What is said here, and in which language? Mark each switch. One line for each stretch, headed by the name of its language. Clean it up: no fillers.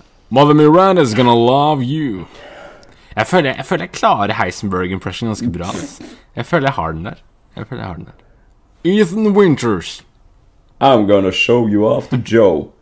English: Mother Miranda is gonna love you.
Norwegian: Jeg føler jeg klarer Heisenberg impression ganske bra. Jeg føler jeg har den der.
English: Ethan Winters. I'm gonna show you off to Joe.